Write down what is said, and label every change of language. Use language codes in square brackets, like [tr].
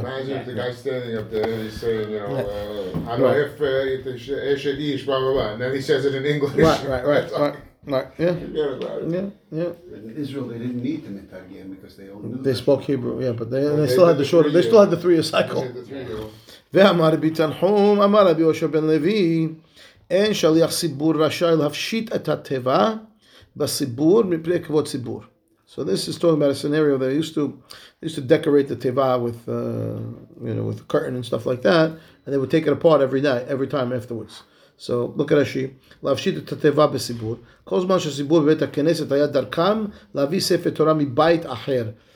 [en] Imagine if the guy standing up there and he's saying, "Eshedish, blah blah blah," and then he says it in English. Right. In Israel, they didn't need the mitargim because they all knew. They spoke Hebrew, but they still had the shorter. They still had the 3-year cycle. [he] Ve'amar bitanhum, amar Rabbi Yosha ben Levi. אין שליח ציבור רשאי להפשיט את הטבע בציבור מפני כבוד ציבור. [en] So this is talking about a scenario that they used to decorate the teva with with a curtain and stuff like that, and they would take it apart every night, every time afterwards. So look at Rashi. [he] להפשיט את הטבע בציבור. כל זמן שציבור בבית הכנסת היה דרכם להביא ספר תורה מבית אחר.